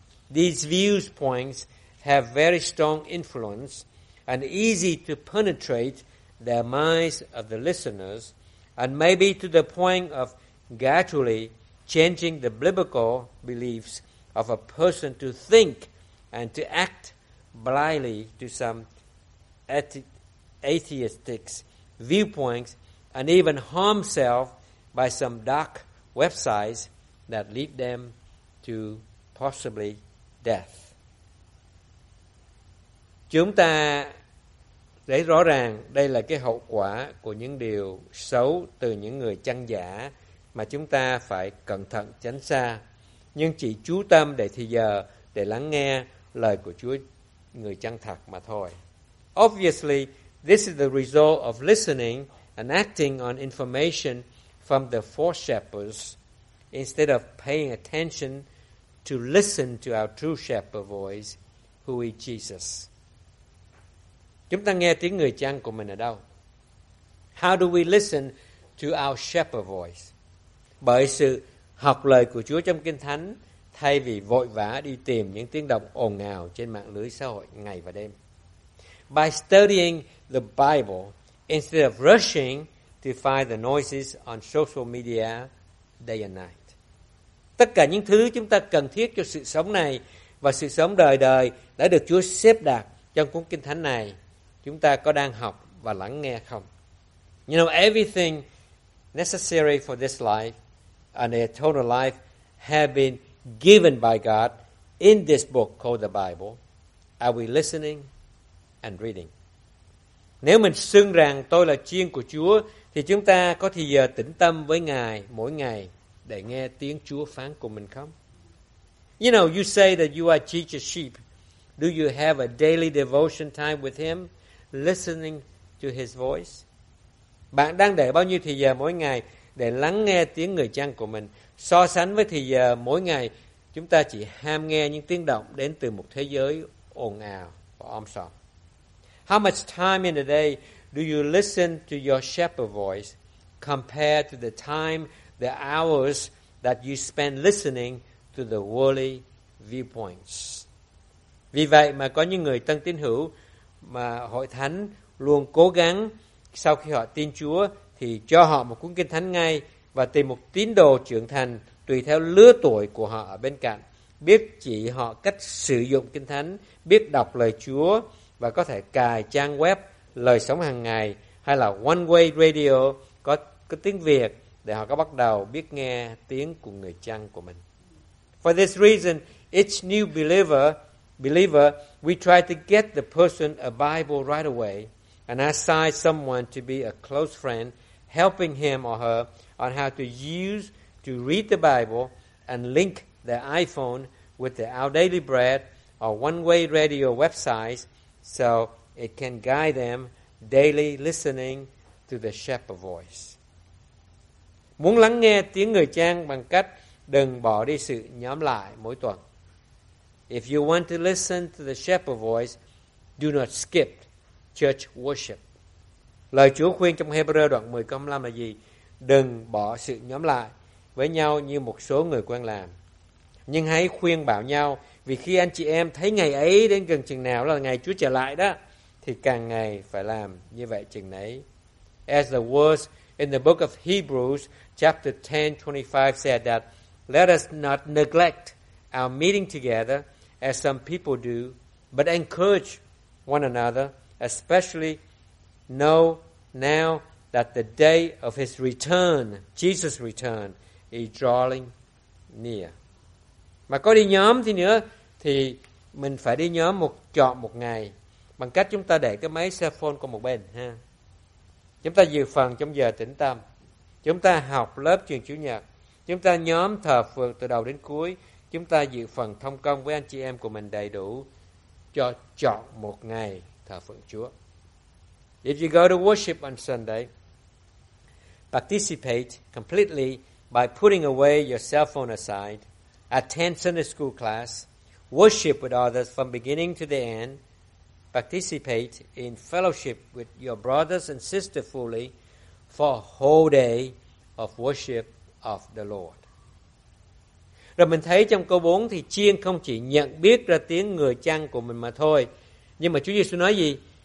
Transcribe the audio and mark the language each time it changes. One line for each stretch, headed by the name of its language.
English: These viewpoints have very strong influence and easy to penetrate the minds of the listeners, and maybe to the point of gradually changing the biblical beliefs of a person to think and to act blindly to some atheistic viewpoints, and even harm self by some dark websites that lead them to possibly death.
Vietnamese: Chúng ta thấy rõ ràng đây là cái hậu quả của những điều xấu từ những người chăn giả mà chúng ta phải cẩn thận tránh xa, nhưng chỉ chú tâm để thì giờ để lắng nghe lời của Chúa người chăn thật mà thôi.
English: Obviously, this is the result of listening and acting on information from the false shepherds instead of paying attention to listen to our true shepherd voice, who is Jesus.
Vietnamese: Chúng ta nghe tiếng người chăn của mình ở đâu?
English: How do we listen to our shepherd voice?
Vietnamese: Bởi sự học lời của Chúa trong Kinh Thánh, thay vì vội vã đi tìm những tiếng động ồn ào trên mạng lưới xã hội ngày và đêm.
English: By studying the Bible instead of rushing to find the noises on social media day and night.
Vietnamese: Tất cả những thứ chúng ta cần thiết cho sự sống này và sự sống đời đời đã được Chúa xếp đặt trong cuốn Kinh Thánh này. Chúng ta có đang học và lắng nghe không?
English: You know, everything necessary for this life and eternal life have been given by God in this book called the Bible. Are we listening and reading?
Vietnamese: Nếu mình xưng rằng tôi là chiên của Chúa, thì chúng ta có thì giờ tĩnh tâm với Ngài mỗi ngày để nghe tiếng Chúa phán của mình không?
English: You know, you say that you are Jesus' sheep, Do you have a daily devotion time with him, listening to his voice?
Vietnamese: Bạn đang để bao nhiêu thời giờ mỗi ngày để lắng nghe tiếng người chăn của mình, so sánh với thời giờ mỗi ngày chúng ta chỉ ham nghe những tiếng động đến từ một thế giới ồn ào và om sòm?
English: How much time in a day do you listen to your shepherd voice compared to the time, the hours that you spend listening to the worldly viewpoints?
Vietnamese: Vì vậy mà có những người tân tín hữu mà hội thánh luôn cố gắng sau khi họ tin Chúa thì cho họ một cuốn kinh thánh ngay và tìm một tín đồ trưởng thành tùy theo lứa tuổi của họ ở bên cạnh, biết chỉ họ cách sử dụng kinh thánh, biết đọc lời Chúa và có thể cài trang web Lời Sống Hàng Ngày hay là One Way Radio có tiếng Việt để họ có bắt đầu biết nghe tiếng của người chăn của mình.
English: For this reason, each new believer, we try to get the person a Bible right away and assign someone to be a close friend, helping him or her on how to use to read the Bible and link their iPhone with the Our Daily Bread or One Way Radio websites so it can guide them daily listening to the shepherd voice.
Vietnamese: Muốn lắng nghe tiếng người chăn bằng cách đừng bỏ đi sự nhóm lại mỗi tuần.
English: If you want to listen to the shepherd voice, do not skip church worship.
Vietnamese: Lời Chúa khuyên trong Hebrew đoạn 10 câu 15 là gì? Đừng bỏ sự nhóm lại với nhau như một số người quen làm. Nhưng hãy khuyên bảo nhau, vì khi anh chị em thấy ngày ấy đến gần chừng nào là ngày Chúa trở lại đó, thì càng ngày phải làm như vậy chừng ấy.
English: As the words in the book of Hebrews chapter 10:25 said that, let us not neglect our meeting together as some people do, but encourage one another, especially know now that the day of his return, Jesus' return, is drawing near.
Vietnamese: Mà có đi nhóm thì nữa, thì mình phải đi nhóm một chọn một ngày bằng cách chúng ta để cái máy cell phone qua một bên ha. Chúng ta dự phần trong giờ tĩnh tâm, chúng ta học lớp truyền Chủ Nhật, chúng ta nhóm thờ phượng từ đầu đến cuối, chúng ta dự phần thông công với anh chị em của mình đầy đủ cho chọn một ngày thờ phượng Chúa.
English: If you go to worship on Sunday, participate completely by putting away your cell phone aside, attend Sunday school class, worship with others from beginning to the end, participate in fellowship with your brothers and sisters fully for a whole day of worship of the Lord.
Vietnamese: Rồi mình thấy trong câu 4 thì chiên không chỉ nhận biết ra tiếng người chăn của mình mà thôi, nhưng mà Chúa Giêsu nói gì?